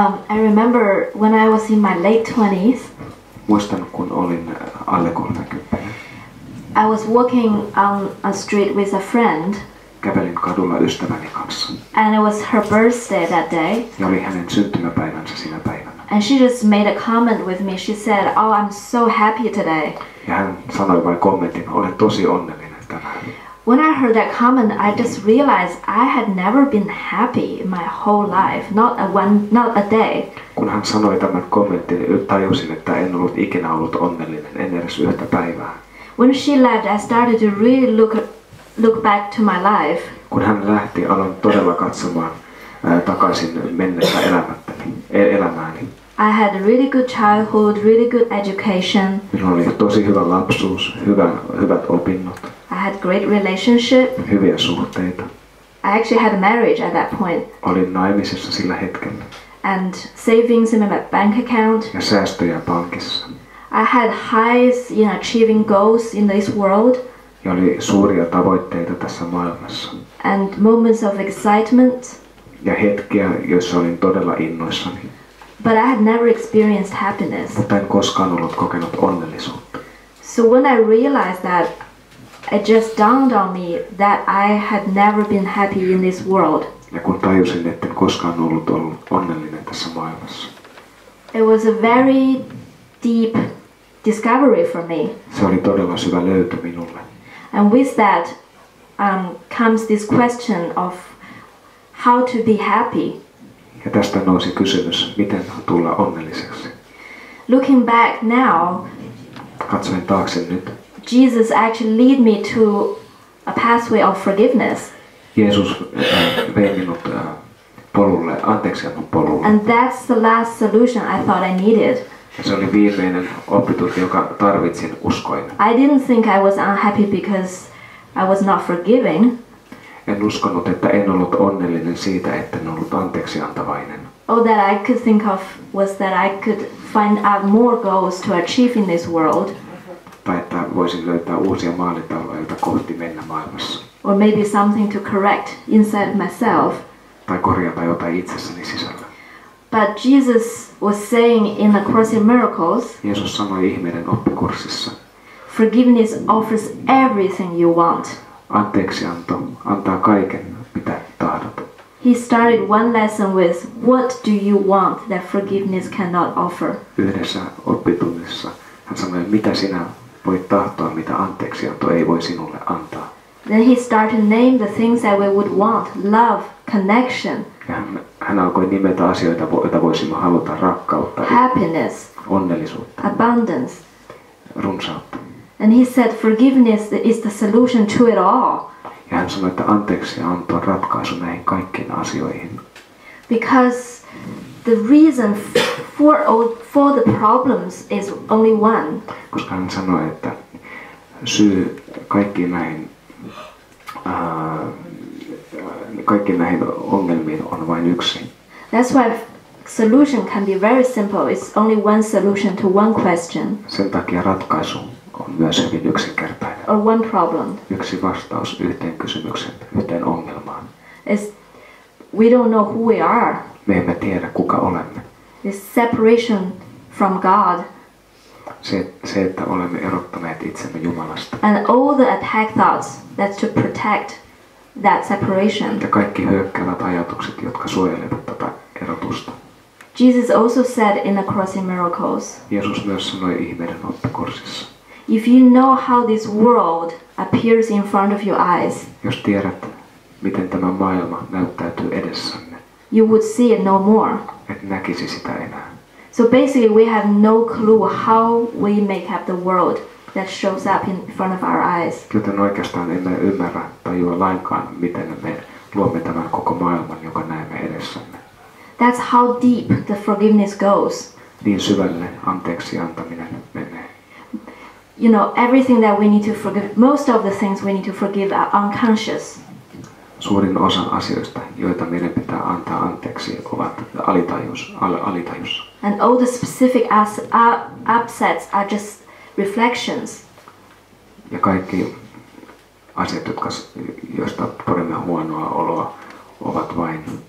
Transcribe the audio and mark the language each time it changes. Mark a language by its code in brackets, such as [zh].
[en] I remember when I was in my late 20s. [fi] Muistan, kun olin alle 30. [en] I was walking on a street with a friend. [fi] Kävelin kadulla ystäväni kanssa. [en] And it was her birthday that day. [fi] Ja oli hänen syntymäpäivänsä sinä päivänä. [en] And she just made a comment with me. She said, "Oh, I'm so happy today." [fi] Ja hän sanoi vain kommentin, olen tosi onnellinen tänään. [en] When I heard that comment, I just realized I had never been happy in my whole life, not a day. [fi] Kun hän sanoi tämän kommentin, tajusin, että en ollut ikinä ollut onnellinen, en edes yhtä päivää. [en] When she left, I started to really look back to my life. [fi] Kun hän lähti, aloin todella katsomaan takaisin mennessä elämääni. [en] I had a really good childhood, really good education. [fi] Minulla oli tosi hyvä lapsuus, hyvät opinnot. [en] I had great relationship. [fi] Hyviä suhteita. [en] I actually had a marriage at that point. [fi] Olin naimisissa sillä hetkellä. [en] And savings in my bank account. [fi] Ja säästöjä pankissa. [en] I had highs in achieving goals in this world. [fi] Ja oli suuria tavoitteita tässä maailmassa. [en] And moments of excitement. [fi] Ja hetkiä, joissa olin todella innoissani. [en] But I had never experienced happiness. [fi] Mutta en koskaan ollut kokenut onnellisuutta. [en] So when I realized that, it just dawned on me that I had never been happy in this world. [fi] Ja kun tajusin, etten koskaan ollut onnellinen tässä maailmassa. [en] It was a very deep discovery for me. [fi] Se oli todella syvä löytö minulle. [en] And with that comes this question of how to be happy. [fi] Ja tästä nousi kysymys, miten tulla onnelliseksi. [en] Looking back now, [fi] katsoin taakse nyt. [en] Jesus actually lead me to a pathway of forgiveness. [fi] Jeesus vei minut polulle, anteeksiannon polulle. [en] And that's the last solution I thought I needed. [fi] Se oli viimeinen oppitunti, joka tarvitsin, uskoin. [en] I didn't think I was unhappy because I was not forgiving. [fi] En uskonut, että en ollut onnellinen siitä, että en ollut anteeksiantavainen. [en] All that I could think of was that I could find out more goals to achieve in this world. [fi] Tai että voisin löytää uusia maalitauluja, joita kohti mennä maailmassa. [en] Or maybe something to correct inside myself. [fi] Tai korjata jotain itsessäni sisällä. [en] But Jesus was saying in the Course in Miracles, [fi] Jeesus sanoi ihmeiden oppikurssissa, [en] forgiveness offers everything you want. [fi] Anteeksianto antaa kaiken, mitä tahdot. [en] He started one lesson with, what do you want that forgiveness cannot offer? [fi] Yhdessä oppitunnissa hän sanoi, mitä sinä voit tahtoa, mitä anteeksianto ei voi sinulle antaa. [en] Then he started to name the things that we would want, love, connection. [fi] Hän alkoi nimetä asioita, joita voisimme haluta, rakkautta, [en] happiness, [fi] onnellisuutta, [en] abundance, [fi] runsautta. [en] And he said forgiveness is the solution to it all. [fi] Ja hän sanoi, että anteeksi antoi ratkaisu näihin kaikkiin asioihin. [en] Because the reason for the problems is only one. [fi] Koska hän sanoi, että syy kaikkiin näihin ongelmiin on vain yksi. [en] That's why solution can be very simple. It's only one solution to one question. [fi] Sen takia ratkaisu on myös hyvin yksinkertainen. [en] Or one problem. [fi] Yksi vastaus yhteen kysymykseen, yhteen ongelmaan. [en] It's we don't know who we are. [fi] Me emme tiedä, kuka olemme. [en] It's separation from God. [fi] Se, että olemme erottaneet itsemme Jumalasta. [en] And all the attack thoughts that to protect that separation. [fi] Ja kaikki hyökkäävät ajatukset, jotka suojelevat tätä erotusta. [en] Jesus also said in the Course in Miracles. [fi] Jeesus myös sanoi ihmeiden oppikurssissa. [en] If you know how this world appears in front of your eyes, [fi] jos tiedät, miten tämä maailma näyttäytyy edessänne, [en] you would see it no more. [fi] Et näkisi sitä enää. [en] So basically we have no clue how we make up the world that shows up in front of our eyes. [fi] Joten oikeastaan emme ymmärrä tai juo lainkaan, miten me luomme tämän koko maailman, joka näemme edessämme. [en] That's how deep the forgiveness goes. [fi] Niin syvälle anteeksi antaminen menee. [en] You know, everything that we need to forgive, most of the things we need to forgive are unconscious. [fi] Suurin osa asioista, joita meidän pitää antaa anteeksi, ovat alitajussa. [en] And all the specific upsets are just reflections. [fi] Ja kaikki asiat, joista todemme huonoa oloa, ovat vain